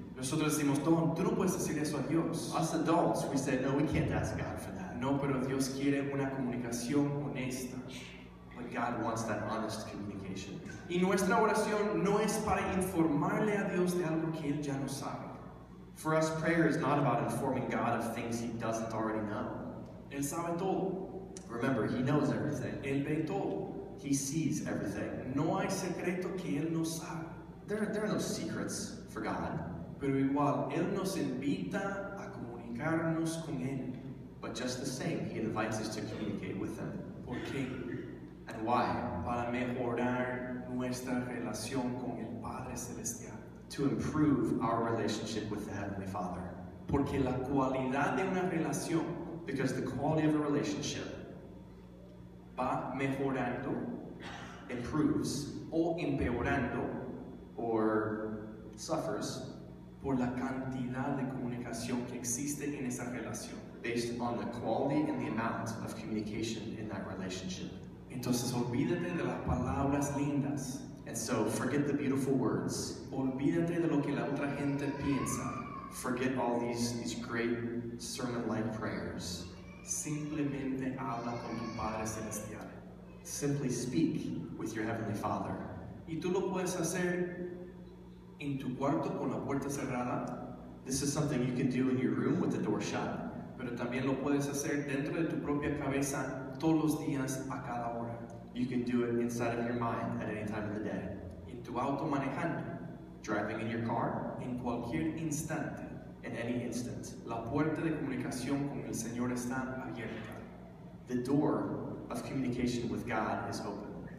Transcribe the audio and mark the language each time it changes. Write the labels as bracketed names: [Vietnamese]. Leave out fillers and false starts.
[Spanish] Nosotros decimos, Don, tú no puedes decir eso a Dios. [English] Us adults, we say, no, we can't ask God for that. [Spanish] No, pero Dios quiere una comunicación honesta. [English] But God wants that honest communication. [Spanish] Y nuestra oración no es para informarle a Dios de algo que Él ya no sabe. [English] For us, prayer is not about informing God of things He doesn't already know. [Spanish] Él sabe todo. [English] Remember, He knows everything. [Spanish] Él ve todo. [English] He sees everything. [Spanish] No hay secreto que Él no sabe. [English] There are no secrets for God. [Spanish] Pero igual, Él nos invita a comunicarnos con Él. [English] But just the same, He invites us to communicate with Him. [Spanish] ¿Por qué? [English] And why? [Spanish] Para mejorar nuestra relación con el Padre Celestial. [English] To improve our relationship with the Heavenly Father. [Spanish] Porque la cualidad de una relación, [English] because the quality of a relationship, [Spanish] va mejorando, [English] improves, [Spanish] o empeorando, [English] or suffers, [Spanish] por la cantidad de comunicación que existe en esa relación. [English] Based on the quality and the amount of communication in that relationship. [Spanish] Entonces, olvídate de las palabras lindas. [English] And so, forget the beautiful words. [Spanish] Olvídate de lo que la otra gente piensa. [English] Forget all these great sermon-like prayers. [Spanish] Simplemente habla con tu Padre Celestial. [English] Simply speak with your Heavenly Father. [Spanish] Y tú lo puedes hacer en tu cuarto con la puerta cerrada. [English] This is something you can do in your room with the door shut. [Spanish] Pero también lo puedes hacer dentro de tu propia cabeza todos los días a cada hora. [English] You can do it inside of your mind at any time of the day. [Spanish] En tu auto manejando. [English] Driving in your car. [Spanish] En cualquier instante. [English] In any instant. [Spanish] La puerta de comunicación con el Señor está abierta. [English] The door of communication with God is open.